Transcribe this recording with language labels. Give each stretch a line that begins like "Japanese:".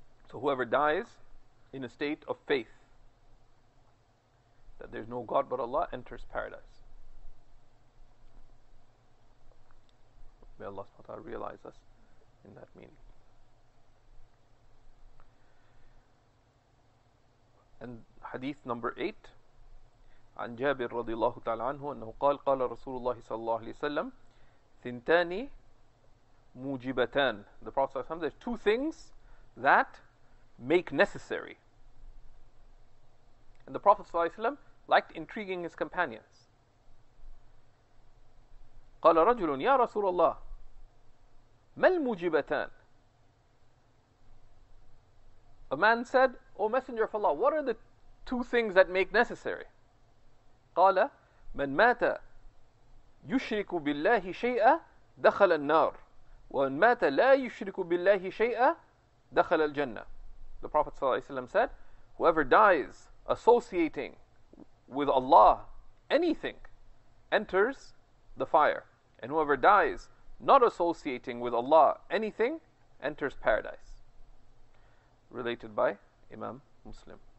English: So whoever dies in a state of faith that there's no God but Allah enters paradise. May Allah subhanahu wa ta'ala realize us in that meaning. And hadith number 8,
Arabic: عن جابر رضي الله تعالى عنه أنه قال قال رسول الله صلى الله عليه وسلم ثنتاني موجبتان.
English: The Prophet صلى الله عليه وسلم, there's two things that make necessary. And the Prophet ﷺ liked intriguing his companions.
Arabic: قال رجل يا رسول الله ما الموجبتان.
English: A man said, O Messenger of Allah, what are the two things that make necessary?
Arabic: قال من مات يشرك بالله شيئا دخل النار ومن مات لا يشرك بالله شيئا دخل الجنة.
English: The Prophet ﷺ said, whoever dies associating with Allah anything enters the fire, and whoever dies not associating with Allah anything enters paradise. Related by Imam Muslim.